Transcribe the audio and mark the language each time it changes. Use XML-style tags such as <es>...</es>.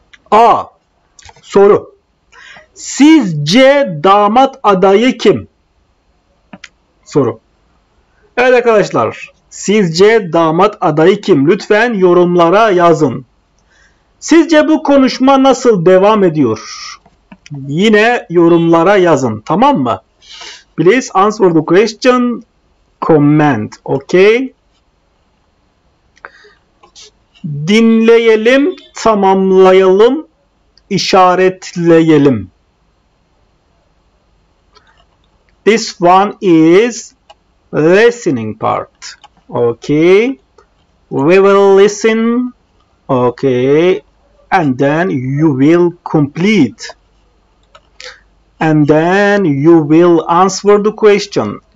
<tr>A. Soru. Sizce damat adayı kim? Soru. Evet arkadaşlar, sizce damat adayı kim? Lütfen yorumlara yazın. Sizce bu konuşma nasıl devam ediyor? Yine yorumlara yazın, tamam mı?</tr> <en>Please answer the question, comment, okay?</en> <tr>Dinleyelim, tamamlayalım, işaretleyelim.</tr> <en>This one is listening part. Okay. We will listen. Okay. And then you will complete. And then you will answer the question.</en>